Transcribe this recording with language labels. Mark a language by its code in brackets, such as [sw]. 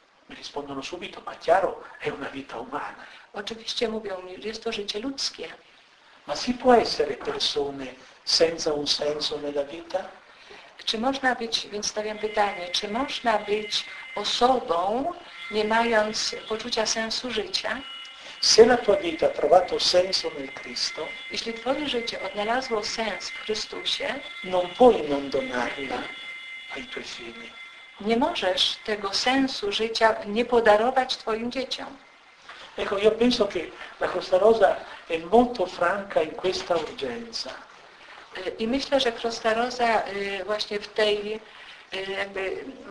[it] Mi rispondono subito, ma chiaro, è una vita umana. [pl] Oczywiście mówią mi, że jest to życie ludzkie. [it] Ma si può essere persone senza un senso nella vita? [pl] Czy można być, więc stawiam pytanie, czy można być osobą, nie mając poczucia sensu życia? [it] Se la tua vita ha trovato senso nel Cristo, [pl] jeśli twoje życie odnalazło sens w Chrystusie, [it] non puoi non donarla ai tuoi figli. [pl] Nie możesz tego sensu życia nie podarować twoim dzieciom. [it] Ecco, io penso che la Costa Rosa è molto franca in questa urgenza. [pl] I myślę, że Costa Rosa właśnie w tej jakby...